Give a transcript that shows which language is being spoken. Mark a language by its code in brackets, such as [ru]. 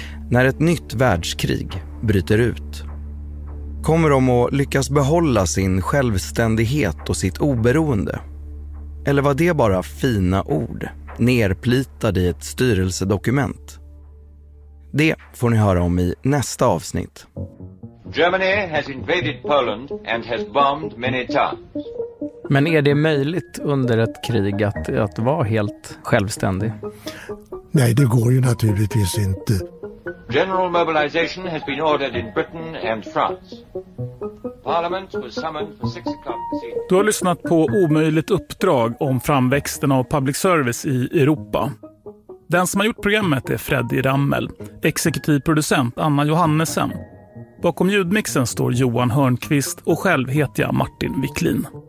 [sv] När ett nytt världskrig bryter ut. Kommer de att lyckas behålla sin självständighet och sitt oberoende? Eller var det bara fina ord, nerplitade i ett styrelsedokument? Det får ni höra om i nästa avsnitt. [en] Germany has invaded Poland and has bombed many times. [sv] Men är det möjligt under ett krig att vara helt självständig? Nej, det går ju naturligtvis inte. [en] General mobilization has been ordered in Britain and France. Parliament was summoned for 6 o'clock. [sv] Du har lyssnat på Omöjligt uppdrag om framväxten av public service i Europa. Den som har gjort programmet är Freddy Rammel, exekutiv producent Anna Johannesen. Bakom ljudmixen står Johan Hörnqvist och själv heter jag Martin Wiklin.